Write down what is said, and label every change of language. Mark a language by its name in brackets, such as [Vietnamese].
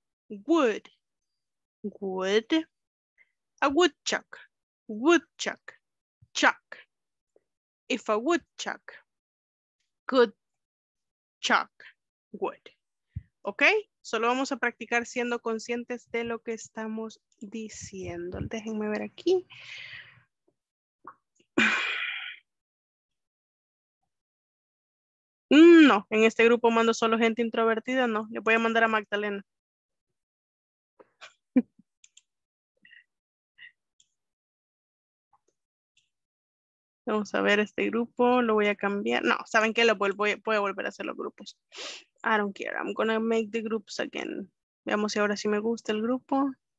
[English] Would a woodchuck chuck if a woodchuck could chuck wood? ¿Ok? [Spanish] Solo vamos a practicar siendo conscientes de lo que estamos diciendo. Déjenme ver aquí. No, en este grupo mando solo gente introvertida, no. Le voy a mandar a Magdalena. Vamos a ver este grupo, lo voy a cambiar. No, ¿saben qué? Voy a volver a hacer los grupos. [English] I don't care, I'm gonna make the groups again. [Spanish] Veamos si ahora sí me gusta el grupo.